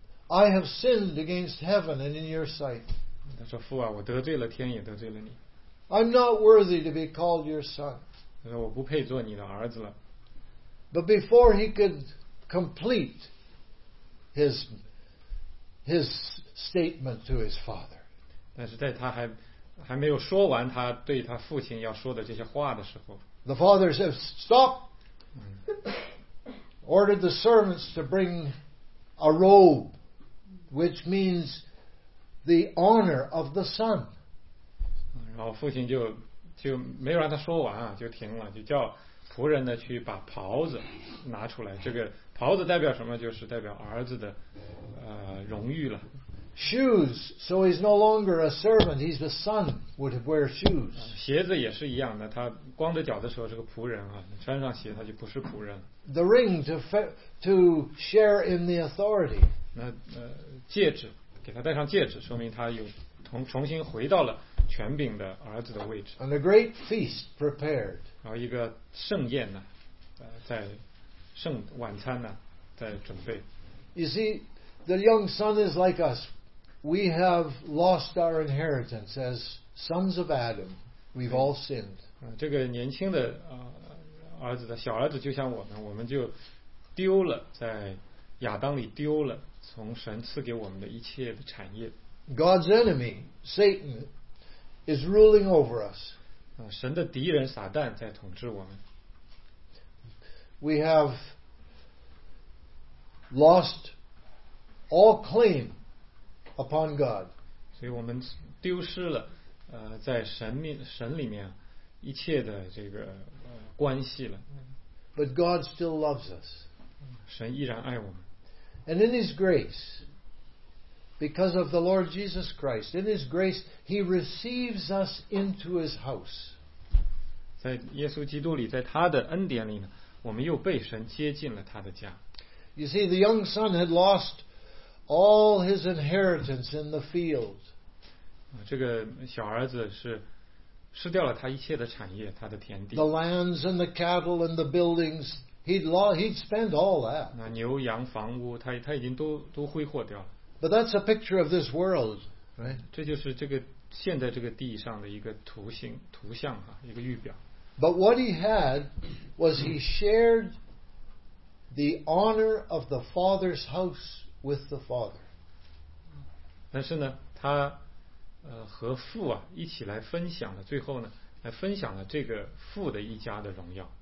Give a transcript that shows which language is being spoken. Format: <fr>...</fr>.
<en>I have sinned against heaven and in your sight.</en> <zh>他说父啊，我得罪了天也得罪了你。</zh> <en>I'm not worthy to be called your son.</en> <zh>他说我不配做你的儿子了。</zh> <en>But before he could complete his statement to his father.</en> <zh>但是在他还没有说完他对他父亲要说的这些话的时候，</zh> <en>The father says, "Stop!" Ordered the servants to bring a robe, which means the honor of the son.</en> <zh>然后父亲就没有让他说完啊，就停了，就叫仆人呢去把袍子拿出来。这个袍子代表什么？就是代表儿子的荣誉了。</zh> <en>Shoes, so he's no longer a servant; he's the son would wear shoes.</en> <zh>鞋子也是一样的，他光着脚的时候是个仆人啊，穿上鞋他就不是仆人。</zh> <en>The ring to share in the authority.</en> <zh>那戒指，给他戴上戒指，说明他有重新回到了权柄的儿子的位置。</zh> <en>And a great feast prepared.</en> <zh>然后一个盛宴呢，在圣晚餐呢在准备。</zh> <en>You see.The young son is like us. we have lost our inheritance as sons of Adam. We've all sinned.</en> <zh>这个年轻的儿子的小儿子就像我们，我们就丢了，在亚当里丢了从神赐给我们的一切的产业。</zh> <en>God's enemy, Satan, is ruling over us.</en> <zh>神的敌人撒旦在统治我们。</zh> <en>We have lost all claim upon God.</en> <zh>所以我们丢失了在神里面一切的这个关系了。</zh> <en>But God still loves us.</en> <zh>神依然爱我们。</zh> <en>And in His grace, because of the Lord Jesus Christ, in His grace, He receives us into His house.</en> <zh>在耶稣基督里，在他的恩典里呢，我们又被神接进了他的家。</zh> <en>You see, the young son had lost all his inheritance in the field.</en> <zh>这个小儿子是失掉了他一切的产业，他的田地。</zh> <en>The lands and the cattle and the buildings, he'd spent all that.</en> <zh>那牛羊房屋，他已经都挥霍掉了。</zh> <en>But that's a picture of this world, right?</en> <zh>这就是这个现在这个地上的一个图像啊，一个预表。</zh> <en>But what he had was he shared the honor of the Father's house with the Father.</en> <zh>但是呢，他和父啊一起来分享了，最后呢，来分享了这个父的一家的荣耀。</zh>